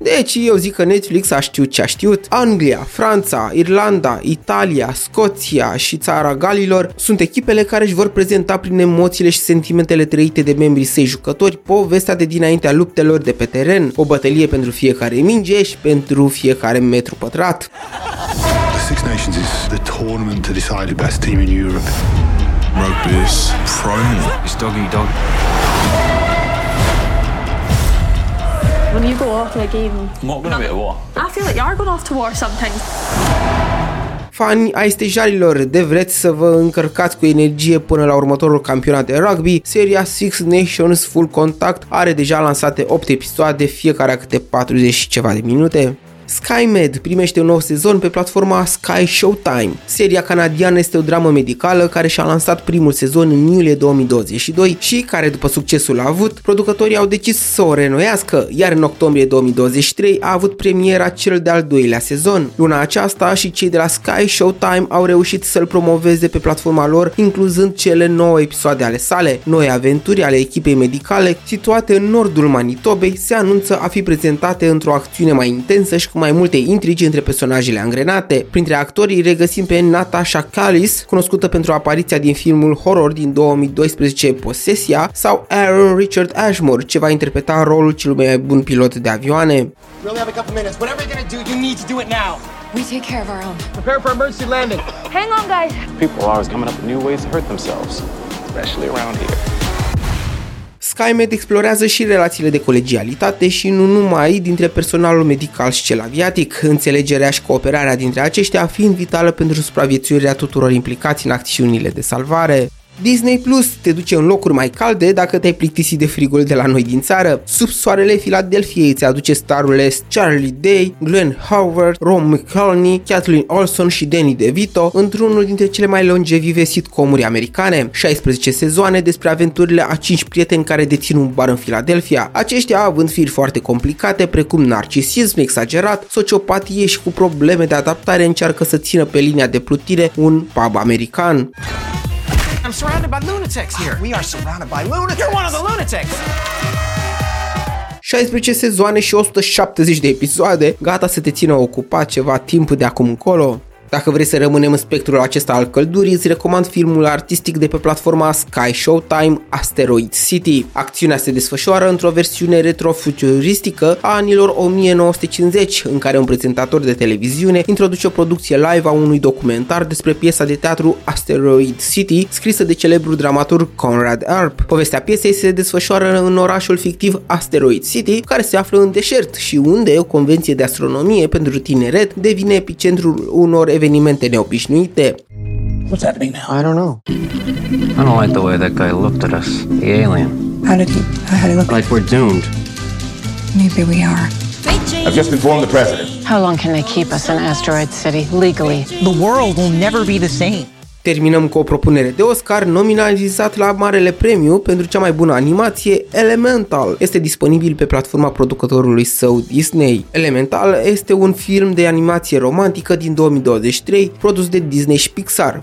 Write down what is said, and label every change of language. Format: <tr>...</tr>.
<ro>Deci, eu zic că Netflix a știut ce a știut. Anglia, Franța, Irlanda, Italia, Scoția și Țara Galilor sunt echipele care își vor prezenta prin emoțiile și sentimentele trăite de membrii săi jucători povestea de dinaintea luptelor de pe teren. O bătălie pentru fiecare minge și pentru fiecare metru pătrat.</ro> <en>Six Nations is the tournament to decide the best team in Europe. Rugby is primal. It's doggy dog. When you go off in a game... I'm not going to be at war. I feel like you are going off to war sometimes.</en> <ro>Fani ai stejarilor, de vreți să vă încărcați cu energie până la următorul campionat de rugby, seria Six Nations Full Contact are deja lansate 8 episoade, fiecare câte 40 și ceva de minute. SkyMed primește un nou sezon pe platforma Sky Showtime. Seria canadiană este o dramă medicală care și-a lansat primul sezon în iulie 2022 și care, după succesul avut, producătorii au decis să o reînnoiască, iar în octombrie 2023 a avut premiera cel de-al doilea sezon. Luna aceasta și cei de la Sky Showtime au reușit să-l promoveze pe platforma lor, incluzând cele 9 episoade ale sale. Noi aventuri ale echipei medicale, situate în nordul Manitobei, se anunță a fi prezentate într-o acțiune mai intensă și cu mai multe intrigi între personajele angrenate. Printre actorii regăsim pe Natasha Callis, cunoscută pentru apariția din filmul horror din 2012 Posesia, sau Aaron Richard Ashmore, ce va interpreta rolul cel mai bun pilot de avioane.</ro> <en>We take care of our own. Prepare for emergency landing. Hang on, guys. People are always coming up with new ways to hurt themselves, especially around here.</en> <ro>SkyMed explorează și relațiile de colegialitate și nu numai dintre personalul medical și cel aviatic, înțelegerea și cooperarea dintre aceștia fiind vitală pentru supraviețuirea tuturor implicați în acțiunile de salvare. Disney Plus te duce în locuri mai calde dacă te-ai plictisit de frigul de la noi din țară. Sub soarele Philadelphia îți aduce starurile Charlie Day, Glenn Howard, Rob McCallney, Kathleen Olson și Danny DeVito într-unul dintre cele mai longevive sitcomuri americane. 16 sezoane despre aventurile a 5 prieteni care dețin un bar în Philadelphia. Aceștia având firi foarte complicate precum narcisism exagerat, sociopatie și cu probleme de adaptare încearcă să țină pe linia de plutire un pub american.</ro> <en>I'm surrounded by lunatics here. We are surrounded by lunatics. You're one of the lunatics.</en> <ro>16 sezoane și 170 de episoade, gata să te țină ocupat ceva timp de acum încolo. Dacă vrei să rămânem în spectrul acesta al căldurii, îți recomand filmul artistic de pe platforma Sky Showtime, Asteroid City. Acțiunea se desfășoară într-o versiune retrofuturistică a anilor 1950, în care un prezentator de televiziune introduce o producție live a unui documentar despre piesa de teatru Asteroid City, scrisă de celebrul dramaturg Conrad Arp. Povestea piesei se desfășoară în orașul fictiv Asteroid City, care se află în deșert și unde o convenție de astronomie pentru tineret devine epicentrul unor evenimente neobișnuite.</ro> <en>What's happening now? I don't know. I don't like the way that guy looked at us. The alien. How did he look? Like we're doomed. Maybe we are. Great, Jane. I've just informed the president. How long can they keep us in Asteroid City legally? The world will never be the same.</en> <ro>Terminăm cu o propunere de Oscar nominalizat la Marele Premiu pentru cea mai bună animație, Elemental. Este disponibil pe platforma producătorului său Disney. Elemental este un film de animație romantică din 2023, produs de Disney și Pixar.</ro>